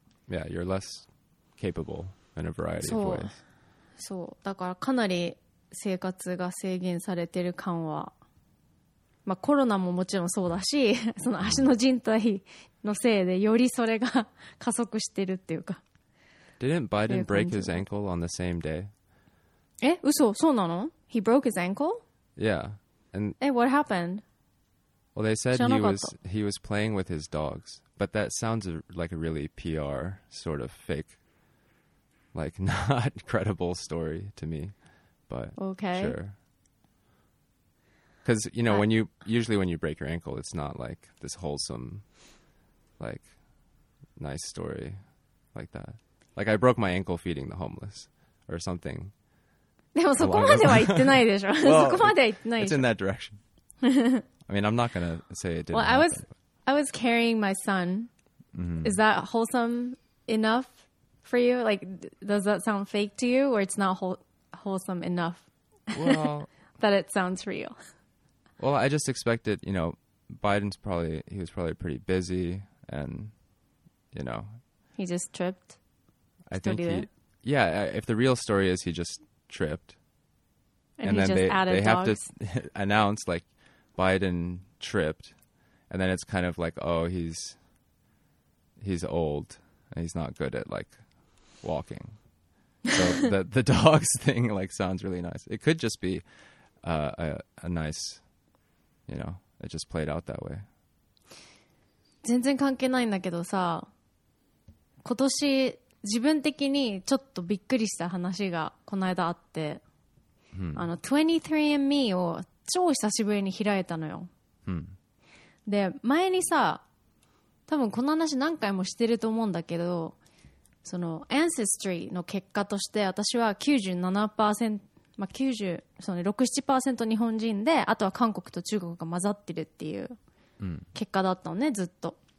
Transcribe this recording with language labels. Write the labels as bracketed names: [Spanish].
[English] Yeah, you're less capable in a variety of ways. [Japanese] そう、だからかなり生活が制限されてる感は、まあコロナももちろんそうだし、その足の靭帯のせいでよりそれが加速してるっていうか。 [English] Didn't Biden break his ankle on the same day? [Japanese] え、嘘、そうなの [English] ？He broke his ankle? Yeah, and え、what happened? Well, they said he was playing with his dogs, but that sounds like a really PR sort of fake, like not credible story to me, but okay. Sure. Because, you know, when you break your ankle, it's not like this wholesome, like, nice story like that. Like, I broke my ankle feeding the homeless or something. [Japanese] でもそこまでは行ってないでしょ。そこまでは行ってないでしょ。 [English] It's in that direction. I mean, I'm not going to say it didn't happen. I was carrying my son. Mm-hmm. Is that wholesome enough for you? Like, does that sound fake to you, or it's not wholesome enough that it sounds real? Well, I just expected, you know, he was probably pretty busy, and, you know. He just tripped? If the real story is he just tripped. And then they have to announce, like, Biden tripped, and then it's kind of like, oh, he's old, and he's not good at, like, walking. So the dogs thing, like, sounds really nice. It could just be a nice... You know, it just played out that way. [Japanese] 全然関係ないんだけどさ、今年自分的にちょっとびっくりした話がこの間あって、23andMe を超久しぶりに開いたのよ。で、前にさ、多分この話何回もしてると思うんだけど、その Ancestry の結果として私は 97%まあ、97% 日本人であとは韓国と中国が混ざってるっていう結果だったのね、ずっと。